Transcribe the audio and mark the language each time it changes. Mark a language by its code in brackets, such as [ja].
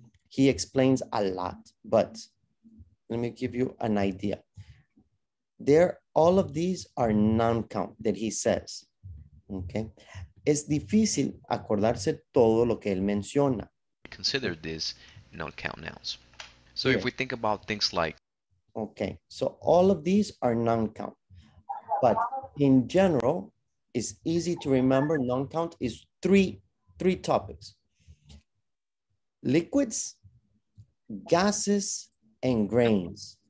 [en] He explains a lot, but let me give you an idea. There, all of these are non-count that he says. Okay. [es] Es difícil acordarse todo lo que él menciona. [en] Consider this non-count nouns. So if we think about things like... Okay, so all of these are non-count. But in general, it's easy to remember non-count is three topics. Liquids, gases, and grains.